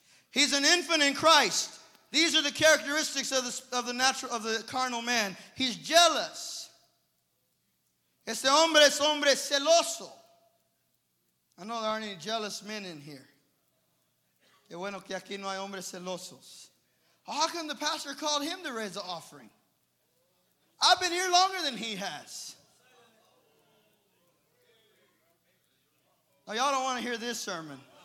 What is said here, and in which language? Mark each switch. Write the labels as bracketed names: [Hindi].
[English] He He's an infant in Christ. These are the characteristics of the natural, of the carnal man. He's jealous. [Spanish] Este hombre es hombre celoso. [English] I know there aren't any jealous men in here. [Spanish] Qué bueno que aquí no hay hombres celosos. [English] How come the pastor called him to raise the offering? I've been here longer than he has. Now, y'all don't want to hear this sermon.